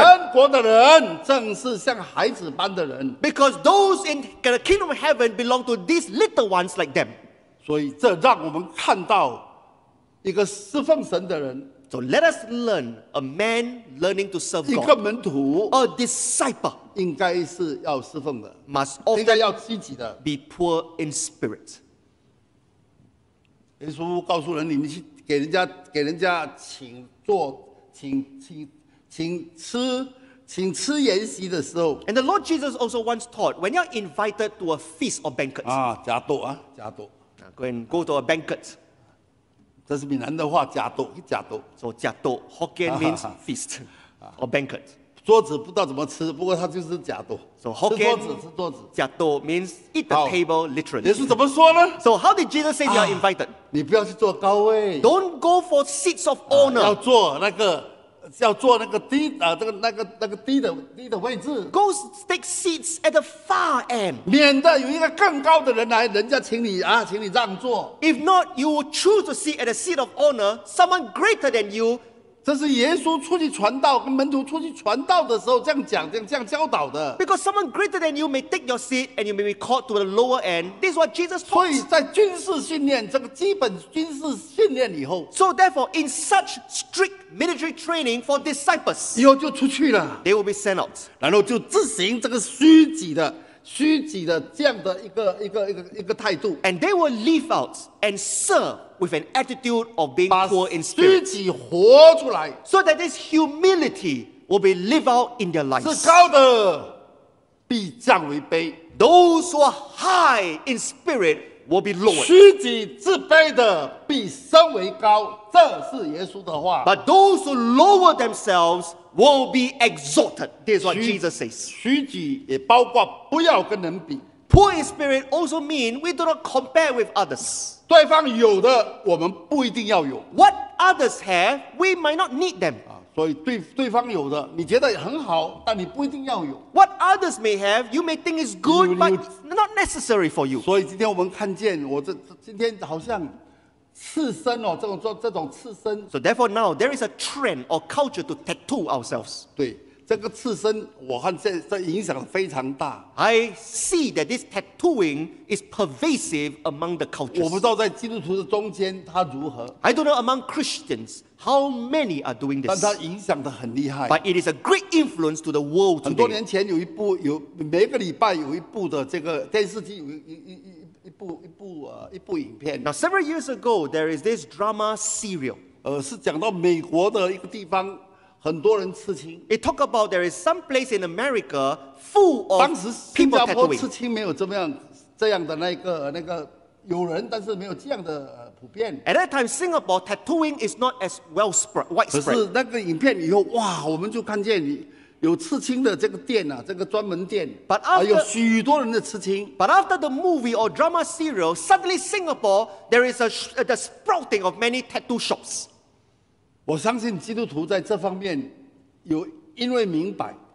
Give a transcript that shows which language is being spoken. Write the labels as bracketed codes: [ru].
[zh] 神国的人正是像孩子般的人, [en] because those in the kingdom of heaven belong to these little ones like them. [zh] 所以这让我们看到, [en] so let us learn a man learning to serve God. [zh] 一个门徒, [en] a disciple [zh] 应该是要侍奉的, [en] must often be poor in spirit. [zh] 耶稣告诉人, 你们去给人家请坐请吃, [en] and the Lord Jesus also once taught, when you're invited to a feast or banquet, [zh] 啊, 假斗, 啊, 假斗, [en] go and go to a banquet. [zh] 这是闽南的话, 假斗, 假斗, [en] so 假斗, Hokkien means feast or banquet. [zh] 桌子不知道怎么吃, 不过它就是假斗, [en] so Hokkien, [zh] 吃桌子, [en] 假斗 means eat the table literally. [zh] 耶稣怎么说呢? [en] So how did Jesus say you are invited? [zh] 你不要去坐高位, [en] don't go for seats of honor. [zh] 要坐那个, 要坐那个低的位置, [en] go take seats at the far end, [zh] 免得有一个更高的人来, 人家请你啊, 请你让座, [en] if not you will choose to sit at a seat of honor, someone greater than you. [zh] 这是耶稣出去传道, 跟门徒出去传道的时候, 这样讲, 这样教导的, [en] because someone greater than you may take your seat and you may be called to the lower end. This is what Jesus taught. [zh] 所以在军事训练, 这个基本军事训练以后, [en] so therefore in such strict military training for disciples, [zh] 以后就出去了, [en] they will be sent out. [zh] 然后就自行这个虚己的, 虚己的这样的一个态度, [en] and they will live out and serve with an attitude of being poor in spirit, so that this humility will be lived out in their lives. [zh] 是高的必降为卑, [en] those who are high in spirit will be lowered. [zh] 虚己自卑的必升为高, 这是耶稣的话, [en] but those who lower themselves will be exalted. This is what Jesus says. [zh] 虚己也包括不要跟人比, [en] poor in spirit also means we do not compare with others. [zh] 对方有的, 我们不一定要有, [en] what others have, we might not need them. [zh] 所以对方有的, 你觉得很好, 但你不一定要有, [en] what others may have, you may think is good, but not necessary for you. [zh] 所以今天我们看见, 今天好像, 刺身哦, 这种刺身, [en] so therefore now, there is a trend or culture to tattoo ourselves. [zh] 对, 这个刺身, 我看这影响非常大, [en] I see that this tattooing is pervasive among the cultures. [zh] 我不知道在基督徒的中间, 它如何, [en] I don't know among Christians how many are doing this, [zh] 但它影响得很厉害, [en] but it is a great influence to the world today. [zh] 很多年前有一部, 有, 每个礼拜有一部的这个电视机, 一部影片, [en] now several years ago there is this drama serial, [zh] 是讲到美国的一个地方, 很多人刺青, [en] it talk about there is some place in America full of people tattooing. [zh] 刺青没有这么样这样的那个有人但是没有这样的, [en] at that time Singapore tattooing is not as well spread, widespread. [zh] 可是那个影片以后, 哇, 我们就看见你, 有刺青的这个店啊, 这个专门店, [en] but after, [zh] 有许多人的刺青, [en] but after the movie or drama serial, suddenly Singapore, there is the sprouting of many tattoo shops. [zh] 我相信基督徒在这方面有因为明白,